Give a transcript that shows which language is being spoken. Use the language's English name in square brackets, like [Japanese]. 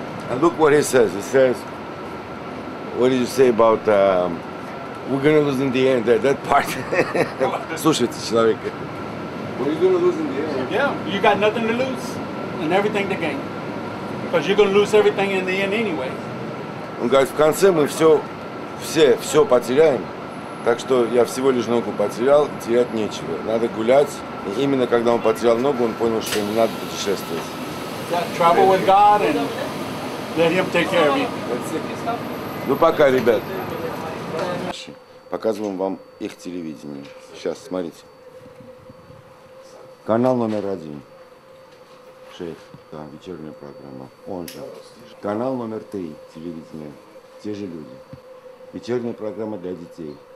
[English] And look what he says. He says, what did you say about we're gonna lose in the end, that part. [Russian] Слушайте, человек. [English] What are you gonna lose in the end? Yeah, you got nothing to lose and everything to gain. Because you're gonna lose everything in the end anyway. [Russian] Он говорит, в конце мы все потеряем. Так что я всего лишь ногу потерял, терять нечего. Надо гулять. И именно когда он потерял ногу, он понял, что не надо путешествовать. [English] Yeah, travel with God and let him take care of you. [Russian] Ну пока, ребят. Показываем вам их телевидение. Сейчас, смотрите. Канал номер один. Шейх, да, вечерняя программа. Он же. Канал номер три телевидения. Те же люди. Вечерняя программа для детей.